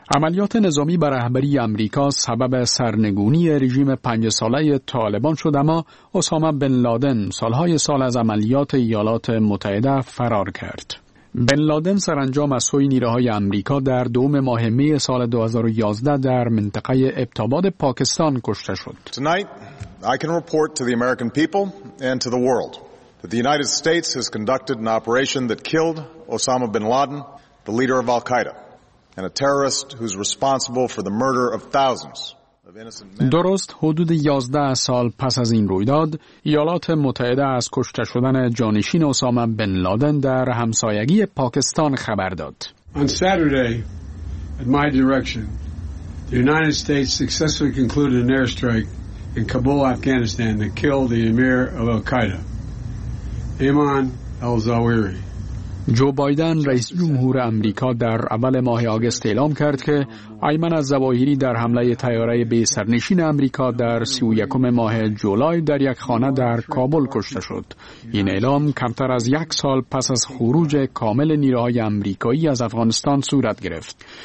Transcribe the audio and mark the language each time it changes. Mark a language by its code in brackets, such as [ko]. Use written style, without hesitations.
[fa] عملیات نظامی بر رهبری آمریکا سبب سرنگونی رژیم 5 ساله طالبان شد، اما اسامه بن لادن سالهای سال از عملیات ایالات متحده فرار کرد. بن لادن سرانجام از سوی نیروهای آمریکا در 2 ماه می سال 2011 در منطقه ابتاباد پاکستان کشته شد. [en] Tonight I can report to the American people and to the world that the United States has conducted an operation that killed Osama bin Laden, the leader of Al-Qaeda. [fa] درست حدود 11 سال پس از این رویداد، ایالات متحده از کشته شدن جانشین اسامه بن لادن در همسایگی پاکستان خبر داد. [en] On Saturday, at my direction, the United States successfully concluded an airstrike in Kabul, Afghanistan that killed the emir of Al-Qaeda, Ayman al-Zawahiri. [fa] جو بایدن رئیس جمهور آمریکا در اول ماه آگوست اعلام کرد که ایمن الزواهری در حمله تیاره بی سرنشین آمریکا در 31 ماه جولای در یک خانه در کابل کشته شد. این اعلام کمتر از یک سال پس از خروج کامل نیروهای آمریکایی از افغانستان صورت گرفت.